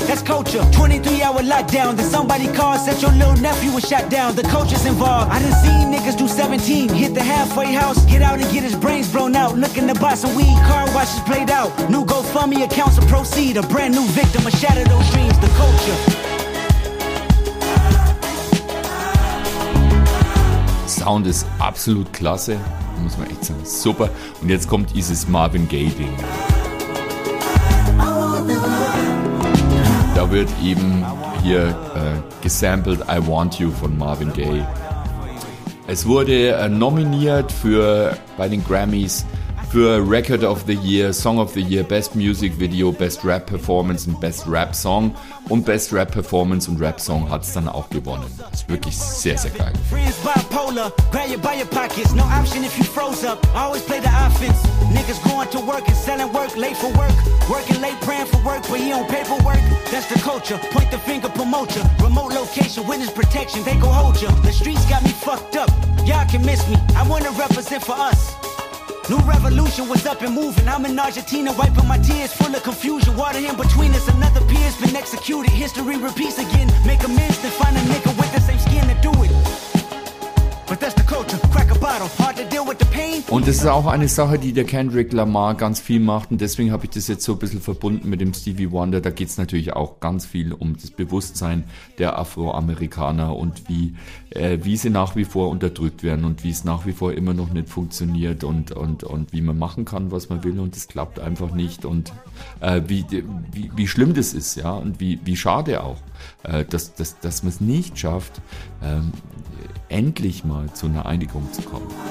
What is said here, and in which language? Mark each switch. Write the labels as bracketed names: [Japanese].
[English] That's culture, 23-hour lockdown. Then somebody called, said your little nephew was shot down. The culture involved. I done seen niggas do 17, hit the halfway house, get out and get his brains blown out, looking to buy some weed, car washes played out, new GoFundMe accounts to proceed, a brand new victim, a shatter those dreams, the culture. [German] Sound ist absolut klasse, muss man echt sagen, super, und jetzt kommt dieses Marvin Gaye Ding. Da wird eben hier gesampled I Want You von Marvin Gaye. Es wurde nominiert bei den Grammys für Record of the Year, Song of the Year, Best Music Video, Best Rap Performance und Best Rap Song. Und Best Rap Performance und Rap Song hat es dann auch gewonnen. Ist wirklich sehr, sehr geil. [English] Friends bipolar, grab you by your pockets. No option if you froze up. Always play the offense. Niggas going to work and selling work, late for work. Working late, praying for work, but he on paperwork. That's the culture. Point the finger, promote ya. Remote location, witness protection, they gon' hold ya. The streets got me fucked up. Y'all can miss me. I wanna represent for us. New revolution was up and moving. I'm in Argentina wiping my tears, full of confusion. Water in between us, another peer's been executed. History repeats again. Make amends, then find a nigga with the same skin to do it. But that's the culture. Crack a bottle, hard to deal with the pain. [German] Und das ist auch eine Sache, die der Kendrick Lamar ganz viel macht. Und deswegen habe ich das jetzt so ein bisschen verbunden mit dem Stevie Wonder. Da geht es natürlich auch ganz viel um das Bewusstsein der Afroamerikaner und wie sie nach wie vor unterdrückt werden und wie es nach wie vor immer noch nicht funktioniert und wie man machen kann, was man will, und es klappt einfach nicht, und wie schlimm das ist, ja, und wie schade auch, dass man es nicht schafft, endlich mal zu einer Einigung zu kommen.